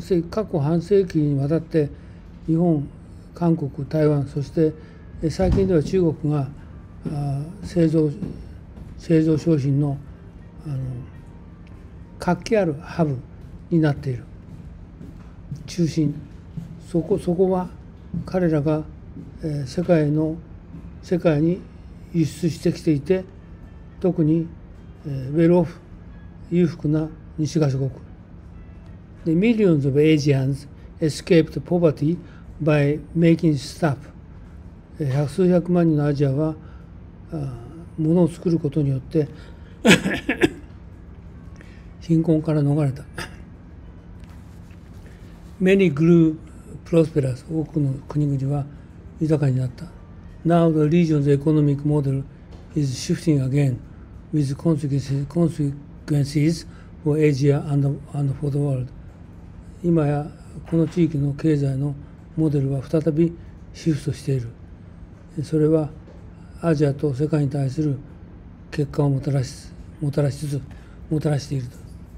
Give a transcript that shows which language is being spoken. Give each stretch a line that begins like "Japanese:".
Japanese: 過去半世紀にわたって日本、韓国、台湾、そして最近では中国が製造商品の活気あるハブになっている中心、そこは彼らが世界に輸出してきていて、特にウェルオフ、裕福な西側諸国。
English: The millions of Asians escaped poverty by making stuff。
Japanese: 数百万人のアジアは物を作ることによって貧困から逃れた。
English: Many grew prosperous。
Japanese: 多くの国々は豊かになった。
English: Now the region's economic model is shifting again with consequences for Asia and for the world。
Japanese: 今やこの地域の経済のモデルは再びシフトしている。それはアジアと世界に対する結果をもたらしつつもたらしていると。